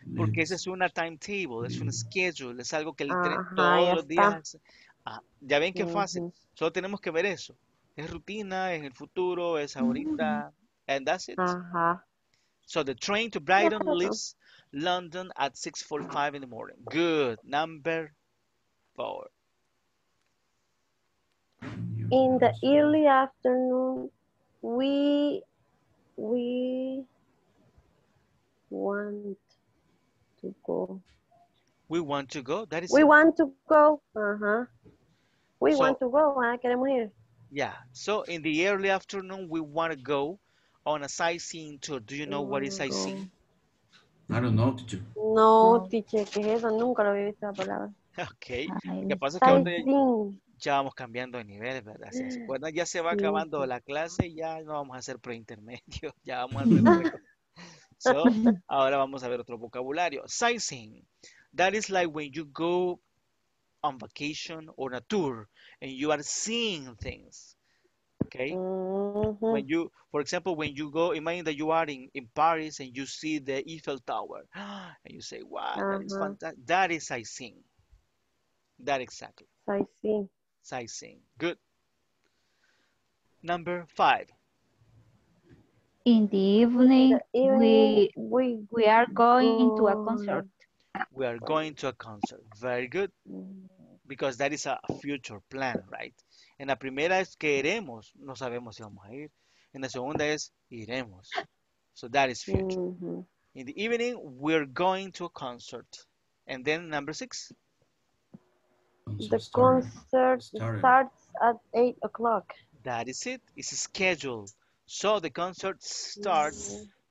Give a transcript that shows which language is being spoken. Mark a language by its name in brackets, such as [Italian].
[Spanish] Porque esa es una timetable, es un schedule, es algo que el tren todos los días. Ya ven qué fácil. Solo tenemos que ver eso. Es rutina, es el futuro, es ahorita. [English] And that's it. So the train to Brighton leaves London at 6:45 in the morning. Good. Number 4. In the early afternoon, we want to go. We want to go. That is. We want to go. We want to go. [Spanish] Queremos ir. [English] Yeah. So in the early afternoon, we want to go on a sightseeing tour. Do you know what is sightseeing? I don't know, teacher. [Spanish] No, teacher. ¿Qué es eso? Nunca lo había visto la palabra. Okay. ¿Qué pasa? Que ya vamos cambiando de nivel, ¿verdad? Así es. Bueno, ya se va acabando la clase, ya no vamos a hacer preintermedio, ya vamos a hacer. So, ahora vamos a ver otro vocabulario. [English] Sightseeing. That is like when you go on vacation or a tour and you are seeing things. Okay? Mm-hmm. When you, for example, when you go, imagine that you are in Paris and you see the Eiffel Tower and you say, wow, that is fantastic. That is sightseeing. That exactly. Sightseeing. Sightseeing. Good. Number five. In the evening, we are going to a concert. We are going to a concert. Very good. Because that is a future plan, right? [Spanish] En la primera es queremos, no sabemos si vamos a ir. En la segunda es iremos. [English] So that is future. [Spanish] Mm-hmm. [English] In the evening, we're going to a concert. And then number six. The concert starts at 8 o'clock. That is it. It's scheduled. So the concert starts,